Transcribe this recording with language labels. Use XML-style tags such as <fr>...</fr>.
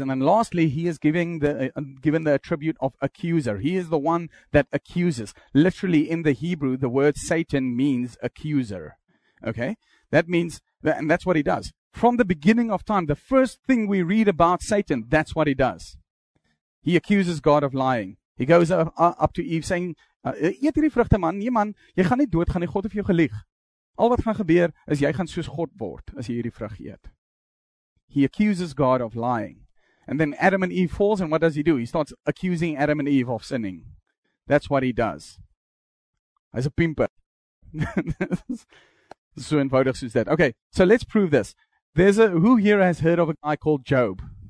<en>And then lastly, he is given the attribute of accuser. He is the one that accuses. Literally in the Hebrew, the word Satan means accuser. Okay? That means, and that's what he does. From the beginning of time, the first thing we read about Satan, that's what he does. He accuses God of lying. He goes up to Eve saying,</en> <af>"Eet hierdie vrugte man, nee man, jy gaan nie dood gaan nie, God het vir jou gelieg. Al wat gaan gebeur is jy gaan soos God word as jy hierdie vrug eet."</af> <en>He accuses God of lying. And then Adam and Eve falls, and what does he do? He starts accusing Adam and Eve of sinning. That's what he does. As a pimper.</en> <af>So eenvoudig soos dit.</af> <en>Okay, so let's prove this. Who here has heard of a guy called Job?</en>